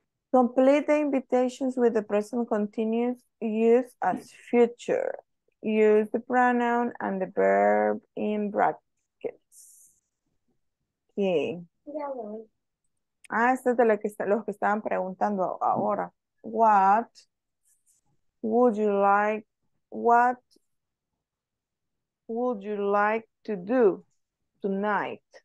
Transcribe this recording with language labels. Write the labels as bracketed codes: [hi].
[en] complete the invitations with the present continuous, use as future. Use the pronoun and the verb in brackets. Okay. [es] Ah, esto es de los que estaban preguntando ahora. [en] What would you like, what would you like to do tonight?